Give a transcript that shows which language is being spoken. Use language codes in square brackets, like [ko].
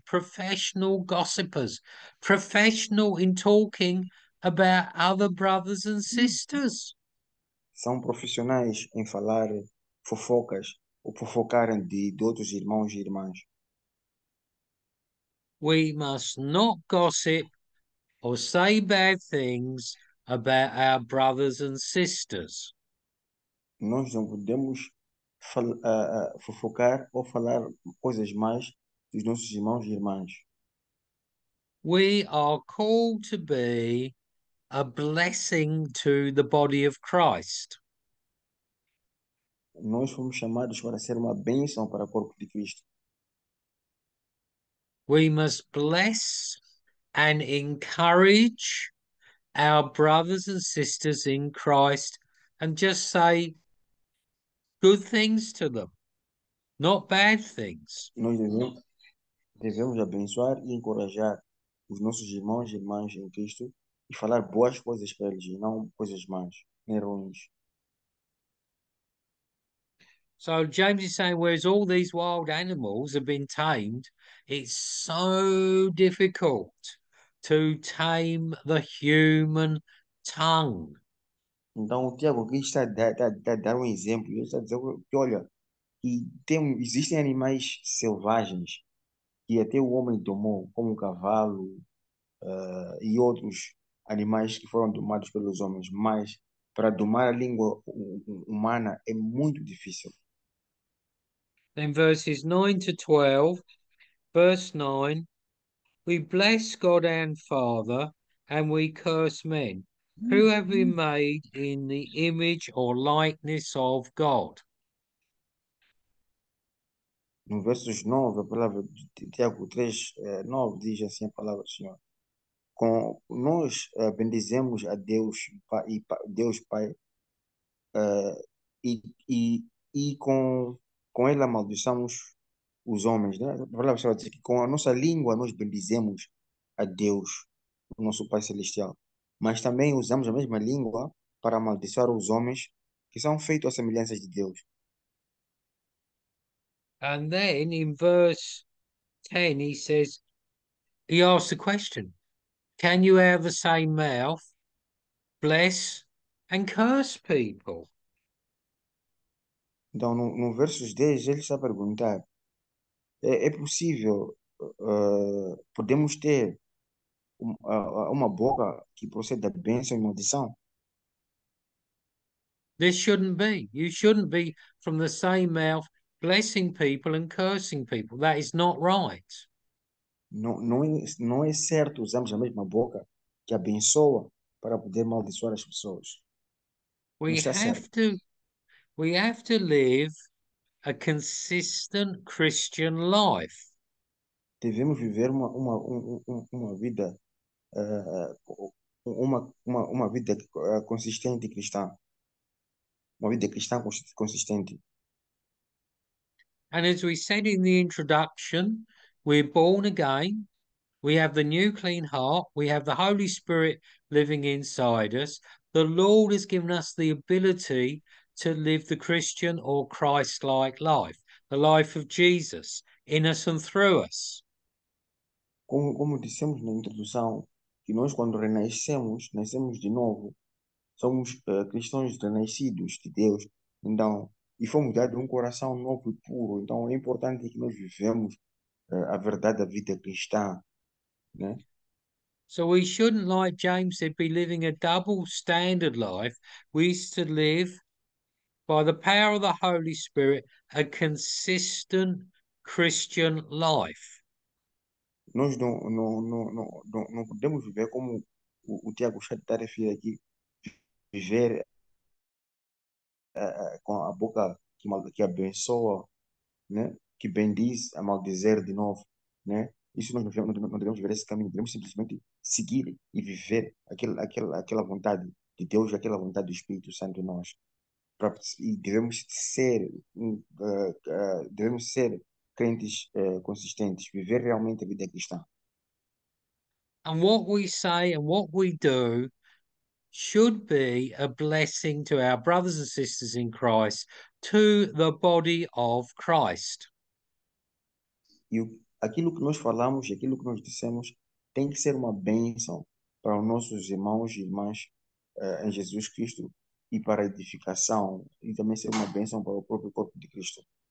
[en] Professional gossipers, professional in talking about other brothers and sisters. [pt] São profissionais em falar fofocas ou fofocarem de outros irmãos e irmãs. [en] We must not gossip or say bad things about our brothers and sisters. [pt] Nós não podemos fofocar ou falar coisas más dos nossos irmãos e irmãs. [en] We are called to be a blessing to the body of Christ. [pt] Nós fomos chamados para ser uma bênção para o corpo de Cristo. [en] We must bless and encourage our brothers and sisters in Christ and just say good things to them, not bad things. [pt] Nós devemos abençoar e encorajar os nossos irmãos e irmãs em Cristo e falar boas coisas para eles, e não coisas más, nem ruins. [en] So James is saying, whereas all these wild animals have been tamed, it's so difficult to tame the human tongue. [pt] Então, o Tiago aqui está a dar um exemplo. Ele está a dizer que, olha, existem animais selvagens que até o homem domou, como o cavalo, e outros animais que foram domados pelos homens, mas para domar a língua humana é muito difícil. [en] Then verses 9 to 12, verse 9, we bless God and Father, and we curse men who have been made in the image or likeness of God. [pt] No verso 9, a palavra de Tiago 3, 9, diz assim: a palavra do Senhor. Nós bendizemos a Deus, Pai, Deus Pai, e com ele amaldiçamos os homens, né? A palavra do Senhor diz que com a nossa língua nós bendizemos a Deus, o nosso Pai Celestial, mas também usamos a mesma língua para amaldiçoar os homens que são feitos à semelhança de Deus. [en] And then in verse 10, he says, he asks the question, can you out of the same mouth bless and curse people? [pt] Então, no verso 10, ele está a perguntar: é possível, podemos ter uma boca que proceda bênção e maldição? [en] This shouldn't be. You shouldn't be from the same mouth. Blessing people and cursing people. That is not right. [pt] Não, é certo usarmos a mesma boca que abençoa para poder maldiçoar as pessoas. Não [en] We [pt] está certo. [en] have to live a consistent Christian life. [pt] Devemos viver uma vida uma vida consistente cristã. Uma vida cristã consistente. [en] And as we said in the introduction, we're born again. We have the new clean heart. We have the Holy Spirit living inside us. The Lord has given us the ability to live the Christian or Christ-like life, the life of Jesus in us and through us. [pt] Como dissemos na introdução, que nós, quando renascemos, nascemos de novo, somos cristãos renascidos de Deus. Então, e fomos dados um coração novo e puro. Então é importante que nós vivemos a verdade da vida cristã, né? [en] So we shouldn't, like James said, be living a double standard life. We should live by the power of the Holy Spirit, a consistent Christian life. [pt] Nós não podemos viver como o Tiago está a referir aqui, viver com a boca que abençoa, né? Que bendiz, a maldizer de novo, né? Isso nós não devemos viver esse caminho, devemos simplesmente seguir e viver aquela vontade de Deus, aquela vontade do Espírito Santo em nós. E devemos ser crentes consistentes, viver realmente a vida cristã. [en] And what we say and what we do should be a blessing to our brothers and sisters in Christ, to the body of Christ. [pt] E aquilo que nós falamos, aquilo que nós dissemos, tem que ser uma bênção para os nossos irmãos e irmãs em Jesus Cristo e para a edificação, e também ser uma bênção para o próprio corpo de Cristo.